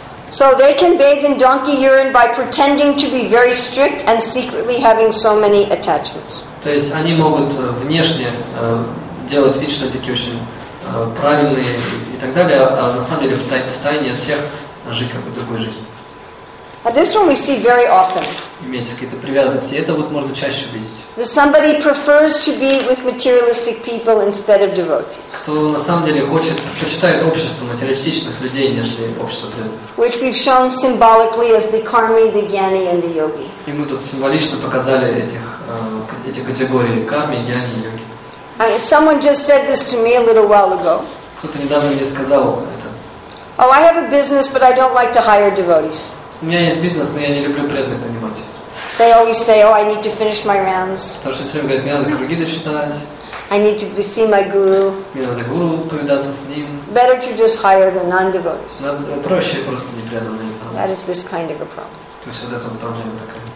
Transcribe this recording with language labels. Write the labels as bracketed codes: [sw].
[en] So they can bathe in donkey urine by pretending to be very strict and secretly having so many attachments. [ru] То есть они могут внешне делать вид, что они такие очень правильные и так далее, а на самом деле в тайне от всех жить какой-то другой жизнью. [en] This one we see very often. [ru] Иметь какие-то привязанности. Это вот можно чаще видеть. [en] That somebody prefers to be with materialistic people instead of devotees. [ru] Кто на самом деле хочет предпочитает общество материалистичных людей, нежели общество преданных. [en] Which we've shown symbolically as the karmi, the gyani, and the yogi. [ru] И мы тут символично показали эти категории карми, гьяни и йоги. [en] Someone just said this to me a little while ago. [ru] Кто-то недавно мне сказал это. [en] Oh, I have a business, but I don't like to hire devotees. [ru] У меня есть бизнес, но я не люблю преданных нанимать. [en] They always say, "Oh, I need to finish my rounds." [ru] Потому что все время говорят, мне надо круги дочитать. [en] I need to see my guru. [ru] Мне надо гуру повидаться с ним. [en] Better to just hire the non-devotees. [ru] Проще просто непреданные. [en] That is this kind of a problem. [ru] То есть вот эта проблема такая.